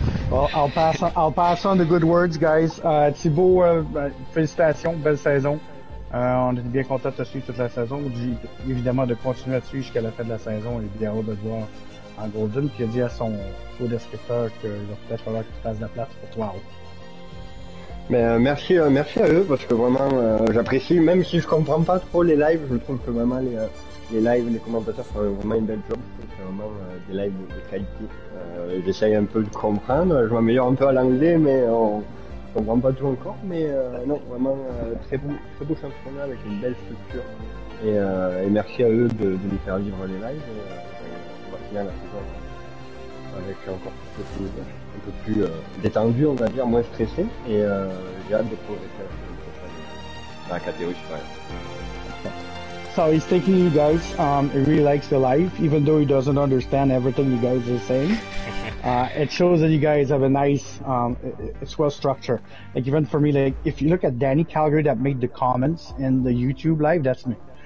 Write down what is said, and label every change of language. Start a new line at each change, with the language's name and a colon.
English: Well, I'll pass on the good words, guys.
French: Thibaut, félicitations, belle saison. On est bien content de suivre toute la saison. Évidemment, de continuer à suivre jusqu'à la fin de la saison. Il est bien heureux de te voir en Golden. Puis il a dit à son co-descripteur qu'il va peut-être falloir qu'il fasse de la place pour toi. Mais merci à eux, parce que vraiment, j'apprécie. Même si je comprends pas trop les lives, je trouve que vraiment les lives, les commentateurs font vraiment une belle job. C'est vraiment des lives de qualité. J'essaye un peu de comprendre. Je m'améliore un peu à l'anglais, mais je comprends pas tout encore, mais non, vraiment très beau championnat avec une belle structure. Et merci à eux de nous faire vivre les lives. On va finir la saison avec encore un peu plus détendu, on va dire, moins stressé. Et j'ai hâte de progresser dans la catégorie supérieure.
English: So he's thinking you guys, he really likes the life, even though he doesn't understand everything you guys are saying. It shows that you guys have a nice, it's well structured. Like even for me, like if you look at Danny Calgary that made the comments in the YouTube live, that's me.